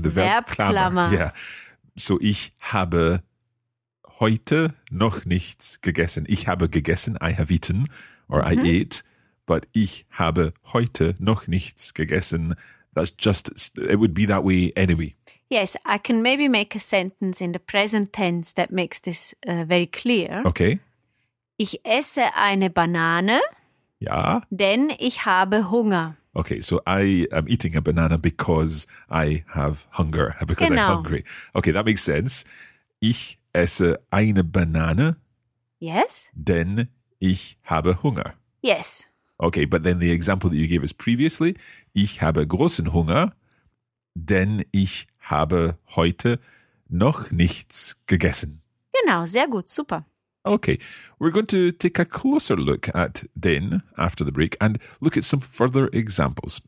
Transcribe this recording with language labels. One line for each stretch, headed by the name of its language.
English: The
German: Verbklammer.
English: Yeah.
German: So ich habe heute noch nichts gegessen. Ich habe gegessen,
English: I have eaten, or mm-hmm. I ate, but
German: ich habe heute noch nichts gegessen.
English: That's just, it would be that way anyway. Yes, I can maybe make a sentence in the present tense that makes this very clear. Okay.
German: Ich esse eine Banane. Ja. Denn ich habe Hunger.
English: Okay, so I am eating a banana because I have hunger, because
German: genau.
English: I'm hungry. Okay, that makes sense.
German: Ich esse eine Banane.
English: Yes.
German: Denn ich habe Hunger.
English: Yes. Okay, but then the example that you gave us previously,
German: ich habe großen Hunger, denn ich habe heute noch nichts gegessen. Genau, sehr gut, super.
English: Okay, we're going to take a closer look at den after the break and look at some further examples.